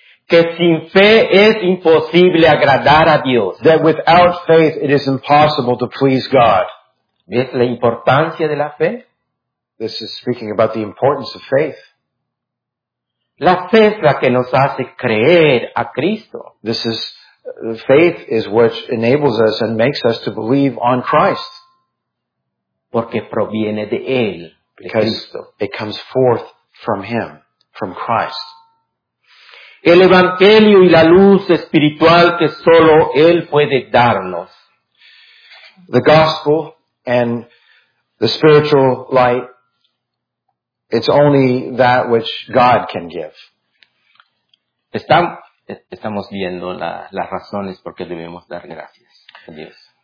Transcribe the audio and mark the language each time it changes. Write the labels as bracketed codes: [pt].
[es] que sin fe es imposible agradar a Dios. [en] That without faith it is impossible to please God. [es] ¿Ves la importancia de la fe? [en] This is speaking about the importance of faith. [es] La fe es la que nos hace creer a Cristo. [en] This is, faith is what enables us and makes us to believe on Christ. [es] Porque proviene de Él. [en] Because it comes forth from Him, from Christ. [es] El Evangelio y la luz espiritual que solo Él puede darnos. [en] The gospel and the spiritual light, it's only that which God can give. [es] Estamos viendo las razones por qué debemos dar gracias a Dios.